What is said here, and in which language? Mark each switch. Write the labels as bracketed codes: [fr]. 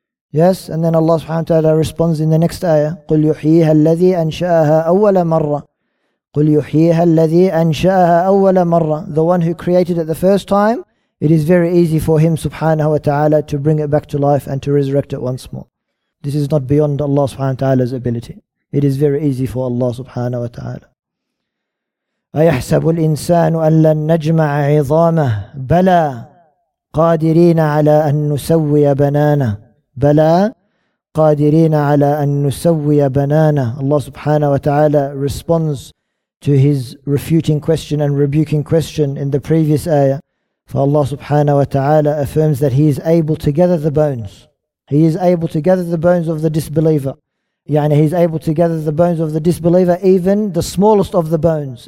[en] Yes, and then Allah subhanahu wa ta'ala responds in the next ayah, [ar] قُلْ يُحْيِيهَا الَّذِي أَنْشَأَهَا أَوَّلَ مَرَّةٍ قُلْ يُحْيِيهَا الَّذِي أَنْشَأَهَا أَوَّلَ مَرَّةٍ. [en] The one who created it the first time, it is very easy for him subhanahu wa ta'ala to bring it back to life and to resurrect it once more. This is not beyond Allah subhanahu wa ta'ala's ability. It is very easy for Allah subhanahu wa ta'ala. [ar] أَيَحْسَبُ الْإِنسَانُ أَن لَّن نَجْمَعَ عِظَامَهُ بَلَى قَادِرِينَ عَلَىٰ أَن نُسَوِّيَ بَنَانَهُ بلا قادرين على أن نسوي بنانا. [en] Allah subhanahu wa ta'ala responds to his refuting question and rebuking question in the previous ayah. For Allah subhanahu wa ta'ala affirms that He is able to gather the bones. He is able to gather the bones of the disbeliever. He is able to gather the bones of the disbeliever, even the smallest of the bones.